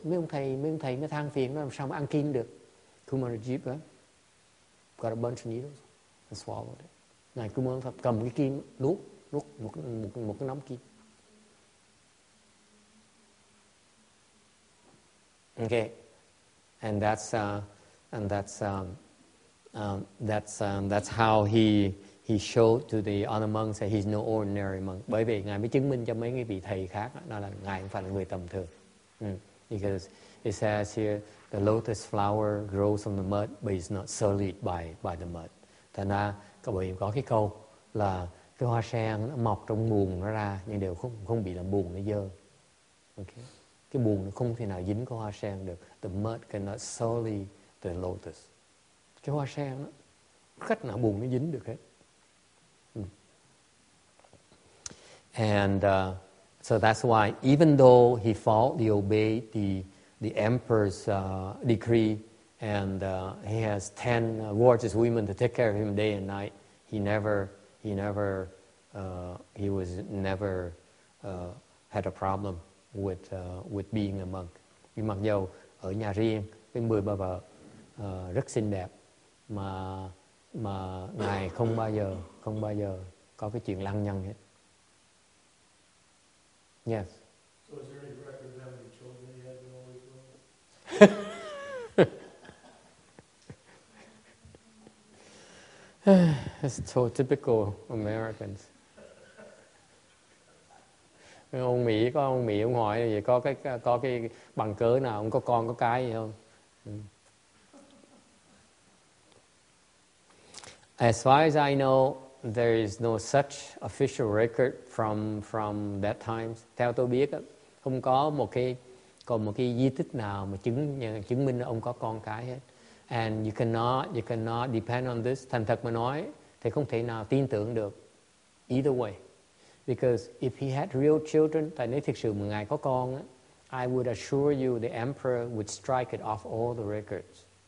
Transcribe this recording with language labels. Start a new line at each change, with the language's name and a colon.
Vietnamese: Mấy ông thầy mới than phiền, làm sao mà ăn kim được?
English: Kumara Jiva got a bunch of needles and swallowed it.
Vietnamese: Ngài Kumara Thập cầm cái kim nuốt một cái nắm kim.
English: Okay, and that's how he showed to the other monks that he's no ordinary monk.
Vietnamese: Bởi vì ngài mới chứng minh cho mấy cái vị thầy khác đó là ngài không phải là người tầm thường.
English: Because it says here the lotus flower grows on the mud, but it's not sullied by the mud.
Vietnamese: Thành ra các bạn có cái câu là cái hoa sen nó mọc trong bùn nó ra nhưng đều không bị làm bùn nó dơ.
English: Okay,
Vietnamese: cái bùn nó không thể nào dính cái hoa sen được.
English: The mud cannot sully the lotus.
Vietnamese: Cái hoa sen nó cách nào bùn nó dính được hết.
English: And so that's why, even though he faultly obeyed the emperor's decree, and he has 10 gorgeous women to take care of him day and night, he never had a problem with being a monk.
Vietnamese: Vì mặc dù ở nhà riêng với 10 bà vợ rất xinh đẹp, mà ngài không bao giờ có cái chuyện lăng nhăng hết.
English: Yes. So is there any record of having children that you had in all these rooms? That's so typical Americans.
Vietnamese: Ông Mỹ có ông Mỹ ông hỏi vậy có cái bằng cớ nào ông có con có cái gì không?
English: As far as I know, there is no such official record from that time.
Vietnamese: Theo tôi biết không có một cái di tích nào mà chứng minh ông có con cái hết.
English: And you cannot depend on this.
Vietnamese: Thành thật mà nói thì không thể nào tin tưởng được
English: either way. Because if he had real children,
Vietnamese: tại nếu thực sự một ngài có con,
English: I would assure you the emperor would strike it off all the records.